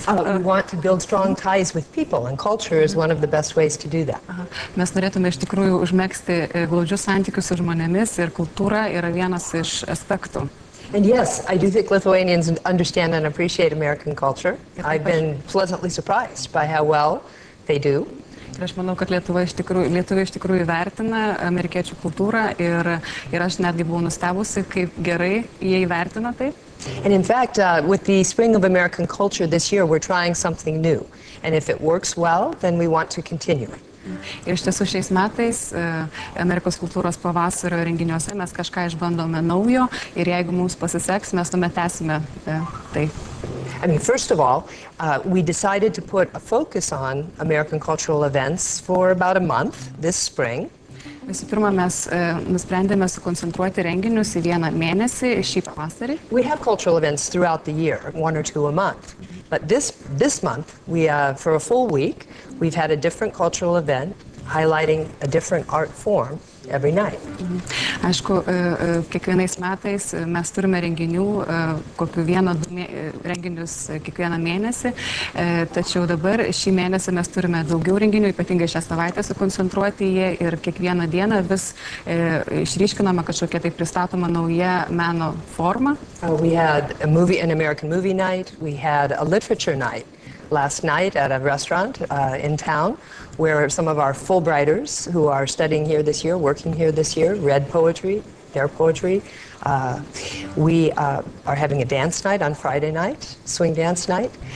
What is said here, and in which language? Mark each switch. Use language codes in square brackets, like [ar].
[en] We want to build strong ties with people, and culture is one of the best ways to do that. [lt] Mes norėtume iš tikrųjų užmegzti glaudžius santykius su žmonėmis, ir kultūra yra vienas iš aspektų. [en] And yes, I do think Lithuanians understand and appreciate American culture. I've been pleasantly surprised by how well they do. [lt] Ir aš manau, kad Lietuva iš tikrųjų vertina amerikiečių kultūrą ir aš netgi buvau nustebusi, kaip gerai jie įvertina tai. [en] And in fact, with the spring of American culture this year, we're trying something new. And if it works well, then we want to continue. [lt] Ir iš tiesų šiais metais Amerikos kultūros pavasario renginiuose mes kažką išbandome naujo ir jeigu mums pasiseks, mes tuomet tęsime tai. [en] I mean, first of all, we decided to put a focus on American cultural events for about a month this spring. [lt] Visų pirma, mes nusprendėme sukoncentruoti renginius į vieną mėnesį šį pavasarį. [en] We have cultural events throughout the year, one or two a month. But this month, for a full week, we've had a different cultural event highlighting a different art form every night. [lt] Aišku, kiekvienais metais mes turime renginių, kokiu vieną renginius kiekvieną mėnesį, tačiau dabar šį mėnesį mes turime daugiau renginių, ypatingai šią savaitę sukoncentruoti jie ir kiekvieną dieną vis išryškinama kažkokia tai pristatoma nauja meno forma. [en] We had an American movie night, we had a literature night last night at a restaurant in town where some of our Fulbrighters who are studying here this year, working here this year, read poetry, their poetry. We are having a dance night on Friday night, swing dance night.